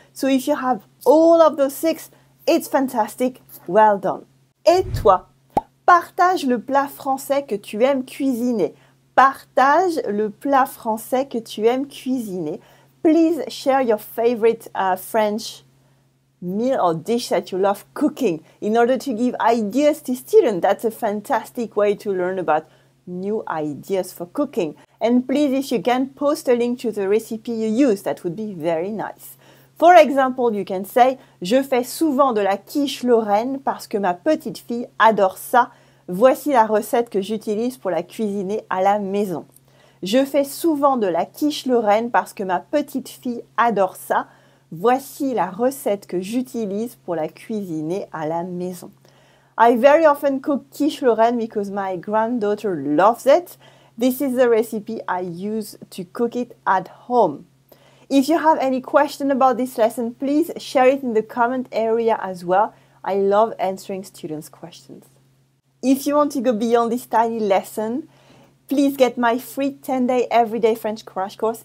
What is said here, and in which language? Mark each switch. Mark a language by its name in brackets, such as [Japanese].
[English] So if you have all of those 6, it's fantastic. Well done. [French] Et toi, partage le plat français que tu aimes cuisiner. Partage le plat français que tu aimes cuisiner. [English] Please share your favorite French meal or dish that you love cooking in order to give ideas to students. That's a fantastic way to learn about new ideas for cooking. And please, if you can, post a link to the recipe you use. That would be very nice. For example, you can say, [French] je fais souvent de la quiche Lorraine parce que ma petite fille adore ça. Voici la recette que j'utilise pour la cuisiner à la maison. Je fais souvent de la quiche Lorraine parce que ma petite fille adore ça. Voici la recette que j'utilise pour la cuisiner à la maison. [English] I very often cook quiche Lorraine because my granddaughter loves it. This is the recipe I use to cook it at home. If you have any question about this lesson, please share it in the comment area as well. I love answering students' questions. If you want to go beyond this tiny lesson, please get my free 10-day everyday French crash course.